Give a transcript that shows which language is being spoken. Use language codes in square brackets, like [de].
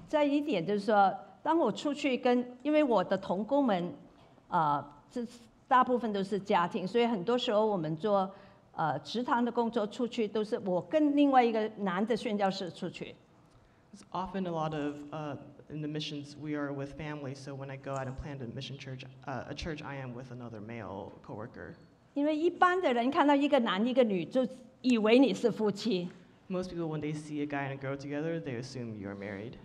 [zh] 再一点就是说，当我出去跟，因为我的同工们，大部分都是家庭，所以很多时候我们做食堂的工作出去，都是我跟另外一个男的宣教士出去。 [en] It's often a lot of in the missions we are with family. So when I go out and plant a mission church, a church, I am with another male coworker. [zh] 因为一般的人看到一个男一个女就以为你是夫妻。 [en] Most people when they see a guy and a girl together, they assume you are married.